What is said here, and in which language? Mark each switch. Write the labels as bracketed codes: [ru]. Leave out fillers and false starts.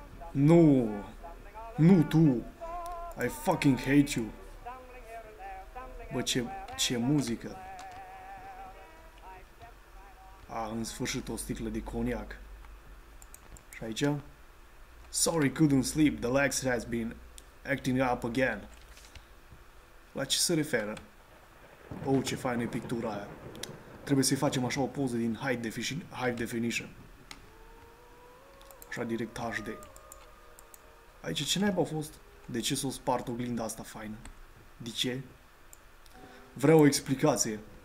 [ro] Nu! Nu tu! [en] I fucking hate you! [ro] Bă, ce muzică! În sfârșit o sticlă de coniac. Și aici? [en] Sorry, couldn't sleep. The legs has been acting up again. [ro] La ce se referă? Oh, ce faină e pictura aia. Trebuie să-i facem așa o poză din high definition. Așa direct HD. Aici ce naiba a fost? De ce s-o spart oglinda asta faină? De ce? Vreau o explicație.